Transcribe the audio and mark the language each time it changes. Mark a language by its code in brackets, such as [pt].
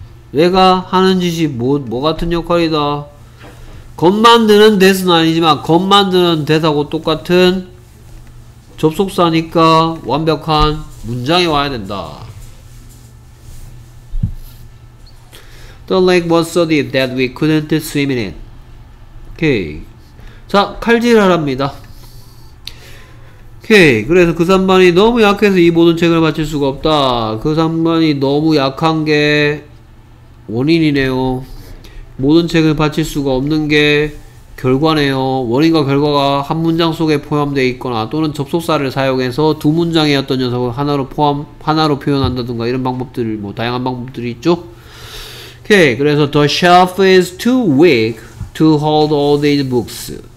[ko] 내가 하는 짓이 뭐 같은 역할이다? 겉 만드는 데스는 아니지만 겉 만드는 데스하고 똑같은 접속사니까 완벽한 문장이 와야 된다. [en] The lake was so deep that we couldn't swim in it. [ko] 오케이. 자, 칼질하랍니다. 오케이. 그래서 그 3번이 너무 약해서 이 모든 책을 마칠 수가 없다. 그 3번이 너무 약한 게 원인이네요. 모든 책을 마칠 수가 없는 게 결과네요. 원인과 결과가 한 문장 속에 포함되어 있거나 또는 접속사를 사용해서 두 문장이었던 녀석을 하나로 표현한다든가 이런 방법들, 뭐 다양한 방법들이 있죠. 오케이. 그래서 [en] the shelf is too weak to hold all these books.